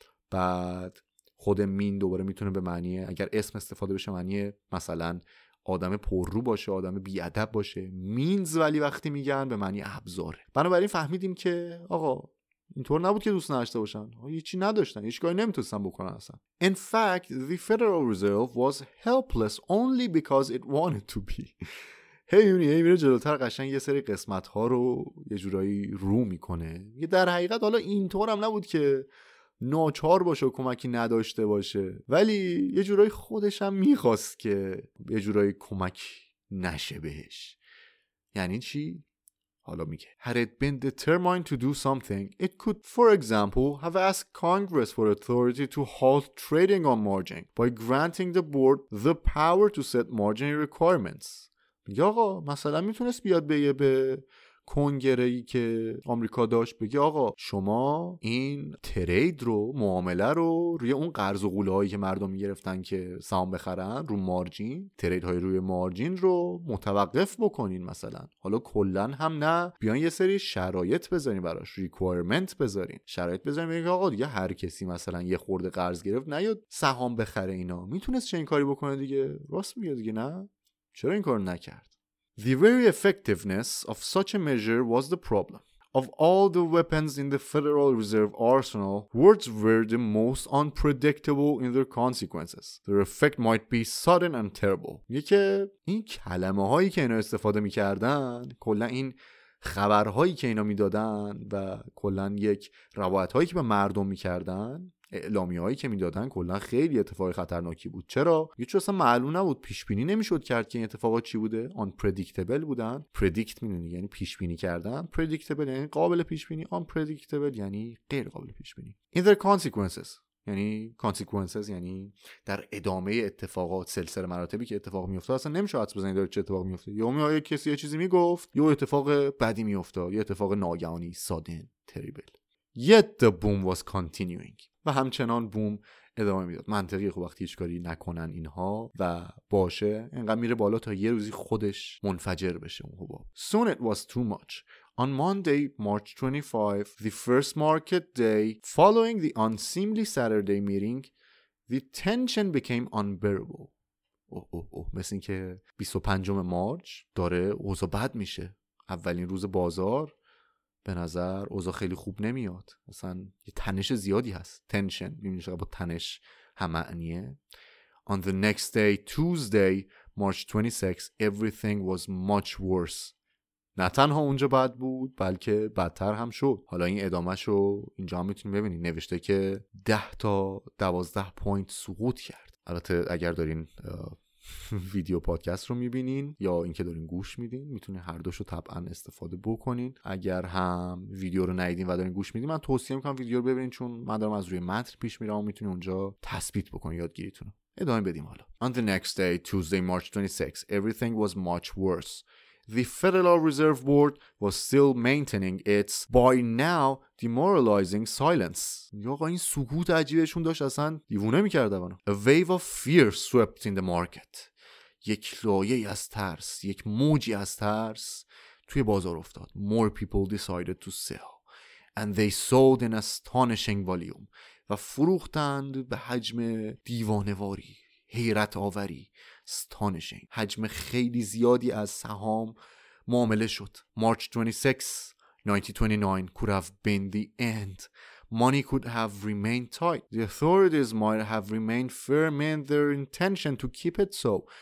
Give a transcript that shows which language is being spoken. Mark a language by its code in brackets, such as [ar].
[fa] بعد خود مین دوباره میتونه به معنی اگر اسم استفاده بشه معنی مثلا آدم پررو باشه، آدم بی ادب باشه. مینز ولی وقتی میگن به معنی ابزاره. بنابراین فهمیدیم که آقا اینطور نبود که دوست نداشته باشن، هیچی نداشتن، هیچ کاری نمیتونستن بکنن اصلا. [en] In fact, the Federal Reserve was helpless only because it wanted to be. [fa] هی میره جلوتر قشنگ یه سری قسمت ها رو یه جورایی رو میکنه. یه در حقیقت حالا اینطور هم نبود که ناچار باشه و کمکی نداشته باشه، ولی یه جورایی خودش هم میخواست که یه جورایی کمک نشه بهش. یعنی چی؟ حالا میگه [en] Had it been determined to do something, it could, for example, have asked Congress for authority to halt trading on margin by granting the board the power to set margin requirements. [fa] یا آقا مثلا میتونست بیاد بگه به کنگره‌ای که آمریکا داشت، بگه آقا شما این ترید رو، معامله رو روی اون قرض و قوله‌هایی که مردم می‌گرفتن که سهام بخرن رو مارجین، ترید‌های روی مارجین رو متوقف بکنین مثلا. حالا کلن هم نه، بیان یه سری شرایط بذارین براش، ریکوایرمنت بذارین، شرایط بذارین، بگه آقا دیگه هر کسی مثلا یه خورده قرض گرفت نیاد سهام بخره اینا. میتونست چه این کاری بکنه دیگه؟ راست میگه دیگه، نه چرا این کار نکرد؟ [en] The very effectiveness of such a measure was the problem. Of all the weapons in the Federal Reserve arsenal, words were the most unpredictable in their consequences. Their effect might be sudden and terrible. [fa] یکی این کلمه هایی که اینا استفاده می کردن، کلن این خبرهایی که اینا می دادن و کلن یک روایت هایی که به مردم می کردن، اعلامیه‌هایی که می‌دادن کلا خیلی اتفاق خطرناکی بود. چرا؟ هیچ اصلا معلوم نبود، پیش‌بینی نمی‌شد کرد که این اتفاقات چی بوده. آن پردیکتبل بودن. پردیکت می‌دونی یعنی پیش‌بینی کردن، پردیکتبل یعنی قابل پیش‌بینی، آن پردیکتبل یعنی غیر قابل پیش‌بینی. این در کانسیکوئنسز یعنی کانسیکوئنسز یعنی در ادامه اتفاقات، سلسله مراتبی که اتفاق می‌افتاد اصلا نمی‌شد حدس بزنی داره چه اتفاق می‌افته. یا می آید کسی یه چیزی می‌گفت، یا اتفاق بدی می‌افتاد، یا اتفاق ناگهانی، سادن، تریبل. [en] Yet the boom was continuing. [fa] و همچنان بوم ادامه میداد. منطقی خوب وقتی هیچ کاری نکنن اینها و باشه اینقدر میره بالا تا یه روزی خودش منفجر بشه اون حباب. [en] Soon it was too much. On Monday, March 25, the first market day following the unseemly Saturday meeting, the tension became unbearable. [fa] مثل این که 25 مارچ داره اوضاع بد میشه. اولین روز بازار به نظر اوضاع خیلی خوب نمیاد، مثلا یه تنش زیادی هست. تنشن میبینید شده با تنش هم معنیه. [en] On the next day, Tuesday, March 26, everything was much worse. [fa] نه تنها اونجا بد بود بلکه بدتر هم شد. حالا این ادامه شو اینجا هم میتونید ببینید، نوشته که 10 تا 12 پوینت سقوط کرد. البته اگر دارین ویدیو پادکست رو میبینین یا اینکه دارین گوش میدین میتونین هر دوشو طبعا استفاده بکنین. اگر هم ویدیو رو ندیدین و دارین گوش میدین، من توصیه میکنم ویدیو رو ببینین، چون من دارم از روی متن پیش میرم و میتونین اونجا تثبیت بکنین یادگیریتون. ادامه بدیم حالا. [en] On the next day, Tuesday, March 26, everything was much worse. The Federal Reserve Board was still maintaining its by now demoralizing silence. [fa] یه آقا این سکوت عجیبشون داشت اصلا دیوونه میکرده بانو. [en] A wave of fear swept in the market. [fa] یک لایه از ترس، یک موجی از ترس توی بازار افتاد. [en] More people decided to sell. And they sold in astonishing volume. [fa] و فروختند به حجم دیوانواری، حیرت آوری. استانشینگ، حجم خیلی زیادی از سهام معامله شد. [en] March 26, 1929 could have been the end. money could have remained tight. The authorities might have remained firm in their intention to keep it so.